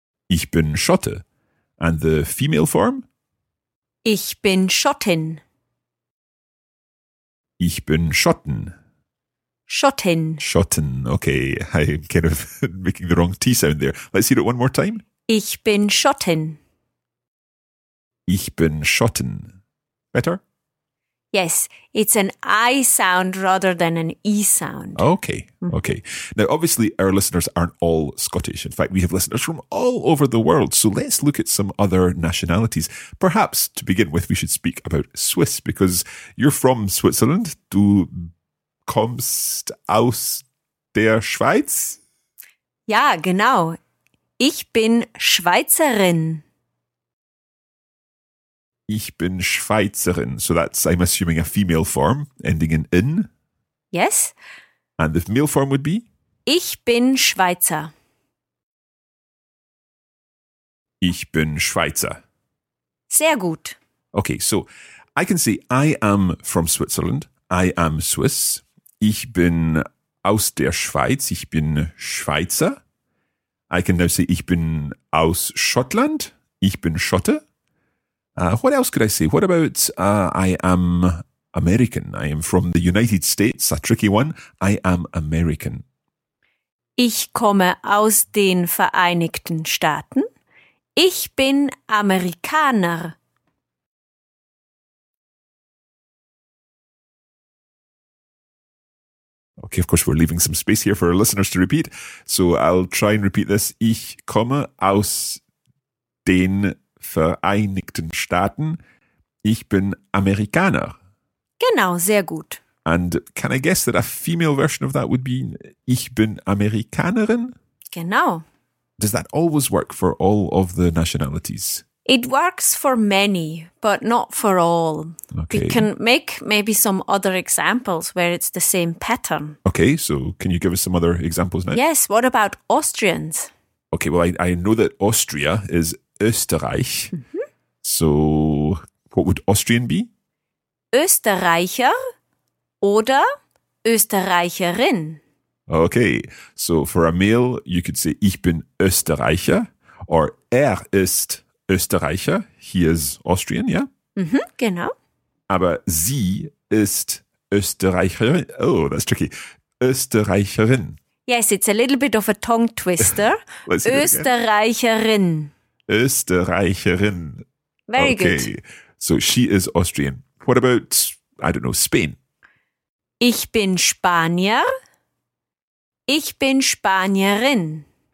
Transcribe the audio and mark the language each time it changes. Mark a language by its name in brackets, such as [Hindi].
[German] Ich bin Schotte. [English] And the female form? [German] Ich bin Schottin. Ich bin Schotten. Schottin. Schotten. [English] Okay, I'm kind of making the wrong T sound there. Let's hear it one more time. [German] Ich bin Schottin. Ich bin Schotten. Better? [English] Yes, it's an I sound rather than an E sound. Okay, okay. Now, obviously, our listeners aren't all Scottish. In fact, we have listeners from all over the world. So let's look at some other nationalities. Perhaps, to begin with, we should speak about Swiss, because you're from Switzerland. [German] Du kommst aus der Schweiz? Ja, genau. Ich bin Schweizerin. Ich bin Schweizerin. [English] So that's, I'm assuming, a female form ending in in. Yes. And the male form would be? [German] Ich bin Schweizer. Ich bin Schweizer. Sehr gut. [English] Okay, so I can say I am from Switzerland. I am Swiss. [German] Ich bin aus der Schweiz. Ich bin Schweizer. [English] I can now say [German] ich bin aus Schottland. Ich bin Schotte. [English] What else could I say? What about I am American? I am from the United States, a tricky one. I am American. [German] Ich komme aus den Vereinigten Staaten. Ich bin Amerikaner. [English] Okay, of course, we're leaving some space here for our listeners to repeat. So I'll try and repeat this. [German] Ich komme aus den Vereinigten Staaten. Ich bin Amerikaner. Genau, sehr gut. [English] And can I guess that a female version of that would be [German] ich bin Amerikanerin? Genau. [English] Does that always work for all of the nationalities? It works for many, but not for all. Okay. We can make maybe some other examples where it's the same pattern. Okay, so can you give us some other examples now? Yes, what about Austrians? Okay, well, I know that Austria is Österreich. Mm-hmm. So what would Austrian be? [German] Österreicher oder Österreicherin. [English] Okay, so for a male, you could say [German] ich bin Österreicher [English] or [German] er ist Österreicher. [English] He is Austrian, yeah? [German] Mm-hmm, genau. Aber sie ist Österreicherin. [English] Oh, that's tricky. Österreicherin. Yes, it's a little bit of a tongue twister. Let's see [German] Österreicherin. Österreicherin. [English] Very okay. good. So she is Austrian. What about, I don't know, Spain? [German] Ich bin Spanier. Ich bin Spanierin.